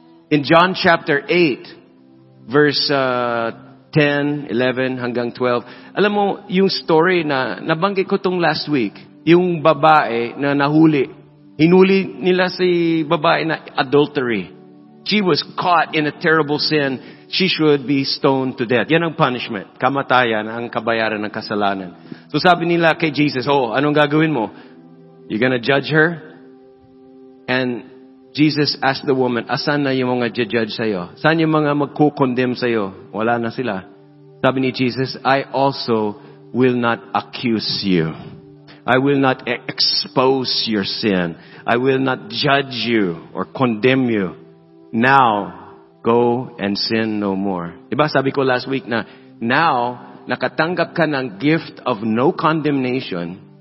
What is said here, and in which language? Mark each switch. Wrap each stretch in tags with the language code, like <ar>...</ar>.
<tl>In John chapter 8, verse 10, 11 hanggang 12, alam mo, yung story na nabanggit ko tong last week, yung babae na nahuli, hinuli nila si babae na adultery.</tl> <en>She was caught in a terrible sin. She should be stoned to death.</en> <tl>Yan ang punishment. Kamatayan ang kabayaran ng kasalanan. So sabi nila kay Jesus, oh, anong gagawin mo?</tl> <en>You're gonna judge her? And Jesus asked the woman,</en> <tl>asan na yung mga judge sa'yo? Saan yung mga magko-condemn sa'yo? Wala na sila. Sabi ni Jesus,</tl> <en>I also will not accuse you. I will not expose your sin. I will not judge you or condemn you. Now, go and sin no more.</en> <tl>Diba sabi ko last week na, now, nakatanggap ka ng gift of no condemnation.</tl>